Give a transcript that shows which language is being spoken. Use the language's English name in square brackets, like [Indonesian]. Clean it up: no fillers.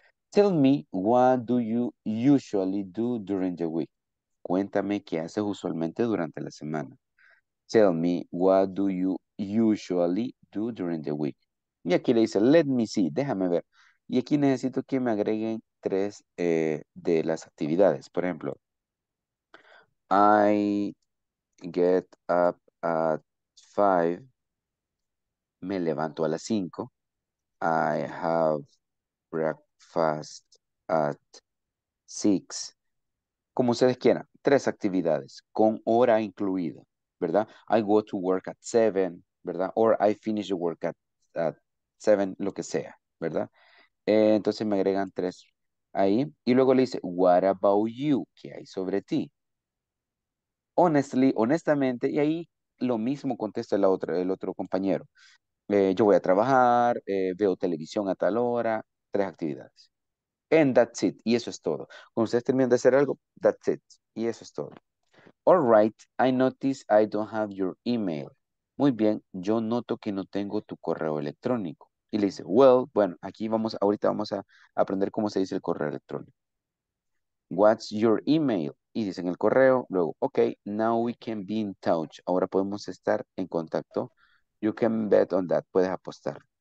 [English] Tell me, what do you usually do during the week? [Spanish] Cuéntame qué haces usualmente durante la semana. [English] Tell me, what do you usually do during the week? [Spanish] Y aquí le dice, [English] let me see, [Spanish] déjame ver. Y aquí necesito que me agreguen tres de las actividades. Por ejemplo, [English] I get up at 5. [Spanish] Me levanto a las 5. [English] I have breakfast at 6. [Spanish] Como ustedes quieran, tres actividades con hora incluida, ¿verdad? [English] I go to work at 7, [Spanish] ¿verdad? [English] Or I finish work at 7, [Spanish] lo que sea, ¿verdad? Entonces me agregan tres ahí. Y luego le dice, [English] what about you? [Spanish] ¿Qué hay sobre ti? [English] Honestly, [Spanish] honestamente. Y ahí lo mismo contesta el otro compañero. Yo voy a trabajar, veo televisión a tal hora. Tres actividades. [English] And that's it. [Spanish] Y eso es todo. Cuando ustedes terminan de hacer algo, [English] that's it. [Spanish] Y eso es todo. [English] All right, I notice I don't have your email. [Spanish] Muy bien, yo noto que no tengo tu correo electrónico. Y le dice, well, bueno, aquí vamos, ahorita vamos a aprender cómo se dice el correo electrónico. [English] What's your email? [Spanish] Y dicen el correo, luego, [English] ok, now we can be in touch. [Spanish] Ahora podemos estar en contacto. [English] You can bet on that, [Spanish] puedes apostar.